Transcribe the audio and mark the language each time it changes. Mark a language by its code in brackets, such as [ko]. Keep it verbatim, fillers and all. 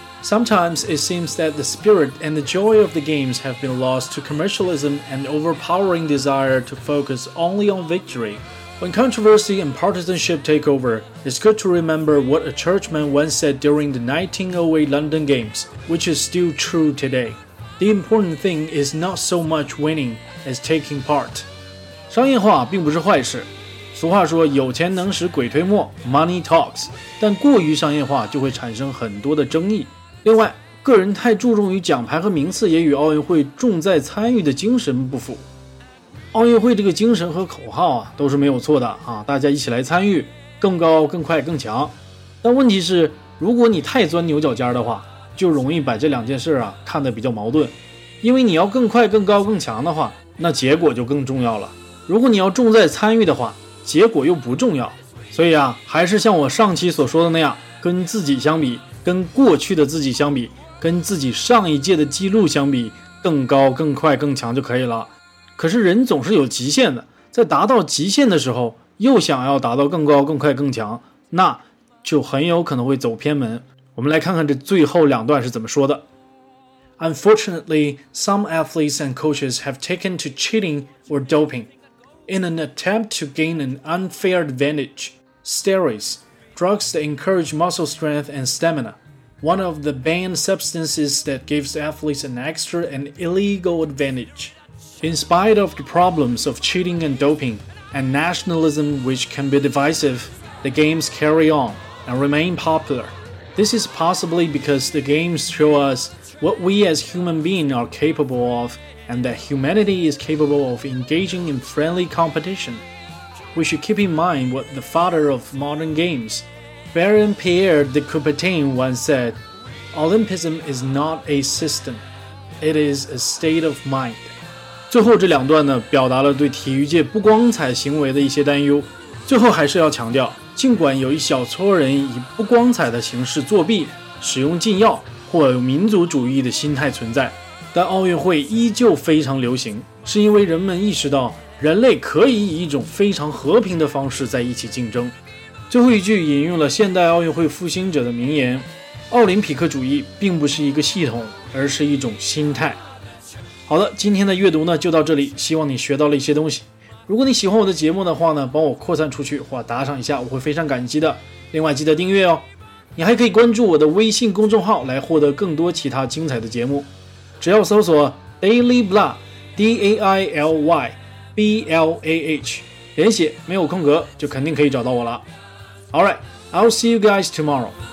[en] Sometimes it seems that the spirit and the joy of the games have been lost to commercialism and overpowering desire to focus only on victory. When controversy and partisanship take over, it's good to remember what a churchman once said during the nineteen oh eight London Games, which is still true today. The important thing is not so much winning as taking part. [zh] 商业化并不是坏事。俗话说有钱能使鬼推磨 [en] Money talks， [zh] 但过于商业化就会产生很多的争议。另外，个人太注重于奖牌和名次也与奥运会重在参与的精神不符。奥运会这个精神和口号啊都是没有错的啊，大家一起来参与，更高更快更强。但问题是，如果你太钻牛角尖的话，就容易把这两件事啊看得比较矛盾。因为你要更快更高更强的话，那结果就更重要了。如果你要重在参与的话，结果又不重要，所以啊，还是像我上期所说的那样，跟自己相比，跟过去的自己相比，跟自己上一届的记录相比，更高更快更强就可以了。可是人总是有极限的，在达到极限的时候又想要达到更高更快更强，那就很有可能会走偏门。我们来看看这最后两段是怎么说的。 [en] Unfortunately, some athletes and coaches have taken to cheating or doping. In an attempt to gain an unfair advantage, steroids, drugs that encourage muscle strength and stamina, one of the banned substances that gives athletes an extra and illegal advantage. In spite of the problems of cheating and doping, and nationalism which can be divisive, the games carry on and remain popular. This is possibly because the games show us what we as human beings are capable of. And that humanity is capable of engaging in friendly competition. We should keep in mind what the father of modern games, Baron Pierre de Coubertin, once said, Olympism is not a system, it is a state of mind. [zh] 最后这两段呢，表达了对体育界不光彩行为的一些担忧。最后还是要强调，尽管有一小撮人以不光彩的形式作弊，使用禁药或有民族主义的心态存在。但奥运会依旧非常流行，是因为人们意识到人类可以以一种非常和平的方式在一起竞争。最后一句引用了现代奥运会复兴者的名言，奥林匹克主义并不是一个系统，而是一种心态。好的，今天的阅读呢就到这里，希望你学到了一些东西。如果你喜欢我的节目的话呢，帮我扩散出去或打赏一下，我会非常感激的。另外记得订阅哦，你还可以关注我的微信公众号来获得更多其他精彩的节目，只要搜索 Daily Blah D A I L Y B L A H 连写没有空格就肯定可以找到我了。 [en] Alright, I'll see you guys tomorrow.